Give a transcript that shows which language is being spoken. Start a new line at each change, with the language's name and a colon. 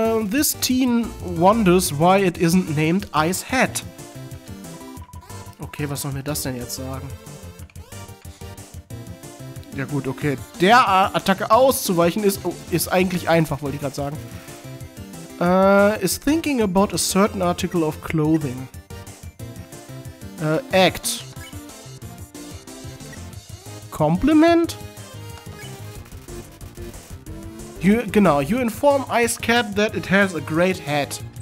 English: This teen wonders why it isn't named Ice Hat.
German: Okay, was soll mir das denn jetzt sagen? Ja gut, okay. Der Attacke auszuweichen ist eigentlich einfach, wollte ich gerade sagen.
English: Is thinking about a certain article of clothing. Act. Compliment? You inform Ice Cap that it has a great hat.